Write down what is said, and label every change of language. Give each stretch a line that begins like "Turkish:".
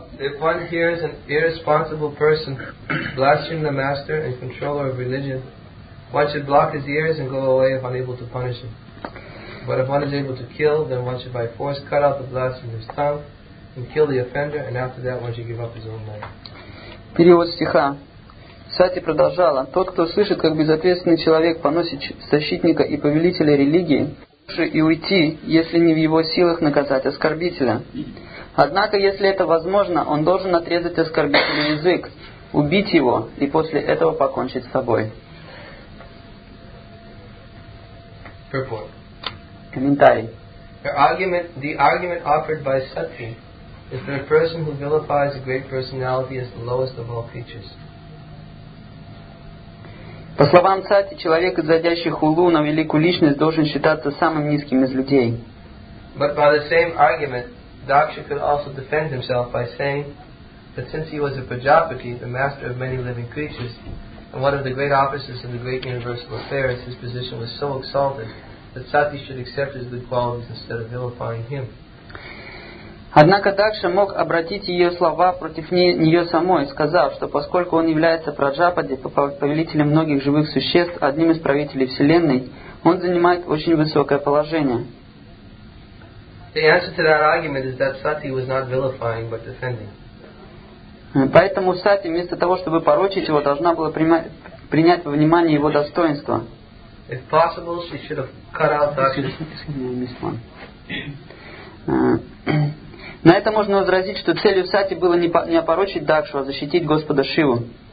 English: If one hears an irresponsible person blaspheme the master and controller of religion, one should block his ears and go away if unable to punish him. But if one is able to kill, then one should by force cut out the blasphemer's tongue and kill the offender, and after that one should give up his own life.
Russian: Перевод стиха. Сати продолжала. Тот, кто слышит, как безответственный человек поносит защитника и повелителя религии, лучше и уйти, если не в его силах наказать оскорбителя. Однако, если это возможно, он должен отрезать оскорбителю язык, убить его и после этого покончить с собой. Комментарий.
English: The argument offered by Sati is that a person who vilifies a great personality is the lowest of all creatures.
Russian: По словам Сати, человек, изводящий хулу на великую личность, должен считаться самым низким из людей.
English: But by the same argument, Daksha could also defend himself by saying that since he was a Prajapati, the master of many living creatures, and one of the great officers in the great universal affairs, his position was so exalted that Sati should accept his good qualities instead of vilifying him.
Russian: Однако Дакша мог обратить ее слова против нее самой, сказав, что поскольку он является Праджапади, повелителем многих живых существ, одним из правителей Вселенной, он занимает очень высокое положение.
English: The answer to that argument is that Sati was not vilifying, but defending.
Russian: Поэтому Сати, вместо того, чтобы порочить его, должна была принять во внимание его достоинство.
English: If possible, she should have cut out
Russian: На это можно возразить, что целью Сати было не опорочить Дакшу, а защитить Господа Шиву.